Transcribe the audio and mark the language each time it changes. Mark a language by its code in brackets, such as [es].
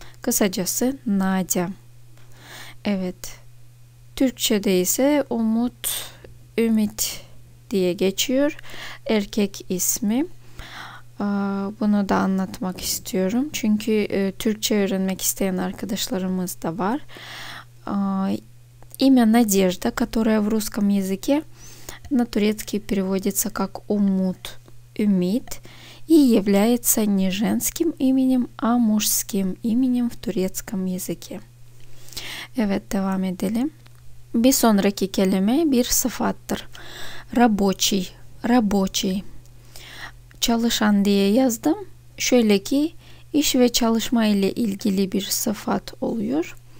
[tr] Kısacası Nadia. Evet. Türkçe'de ise umut, ümit diye geçiyor. Erkek ismi. Bunu da anlatmak istiyorum. Çünkü Türkçe öğrenmek isteyen arkadaşlarımız da var. [ru] İmya Nadejda, которая в русском языке на турецкий переводится как умут, ümit, и является не женским именем, а мужским именем в турецком языке. [tr] Evet, devam edelim. Bir sonraki kelime bir sıfattır. Рабочий, рабочий. Çalışan diye yazdım. Şöyle ki iş ve çalışma ile ilgili bir sıfat oluyor.